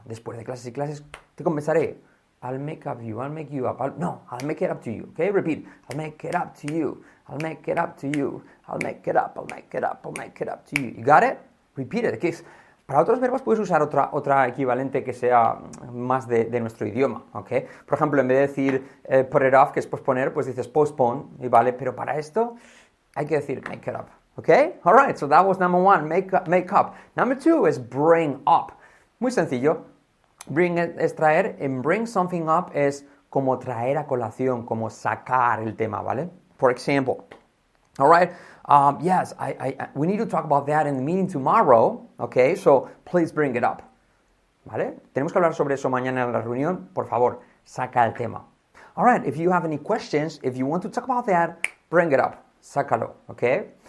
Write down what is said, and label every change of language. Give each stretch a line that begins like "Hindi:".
Spanish: Después de clases y clases, te compensaré,
English: I'll make up you, I'll make you up, I'll make it up to you, okay? Repeat, I'll make it up to you, I'll make it up to you, I'll make it up, I'll make it up, I'll make it up to you. You got it? Repeat it, okay?
Spanish: Para otros verbos puedes usar otra equivalente que sea más de nuestro idioma, ¿ok? Por ejemplo, en vez de decir
English: put it off,
Spanish: que es posponer, pues dices postpone, y vale, pero para esto hay que decir
English: make it up,
Spanish: ¿ok?
English: All right, so that was number one, make up. Number two is bring up.
Spanish: Muy sencillo, bring es traer,
English: and bring something up
Spanish: es como traer a colación, como sacar el tema, ¿vale?
English: For example, all right. Yes, we need to talk about that in the meeting tomorrow, okay? So, please bring it up, ¿vale?
Spanish: Tenemos que hablar sobre eso mañana en la reunión, por favor, saca el tema.
English: All right, if you have any questions, if you want to talk about that, bring it up, sácalo, okay?